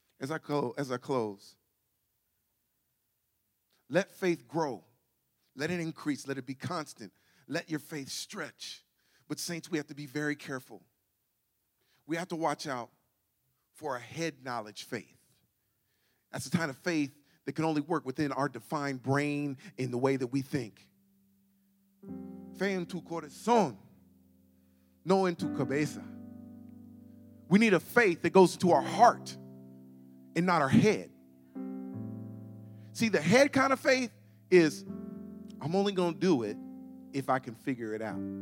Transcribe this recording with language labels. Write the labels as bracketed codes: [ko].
[en] As I close, let faith grow. Let it increase. Let it be constant. Let your faith stretch. But saints, we have to be very careful. We have to watch out for a head knowledge faith. That's the kind of faith that can only work within our defined brain in the way that we think. [es] Fe en tu corazón, no en tu cabeza. [en] We need a faith that goes into our heart and not our head. See, the head kind of faith is, I'm only going to do it if I can figure it out.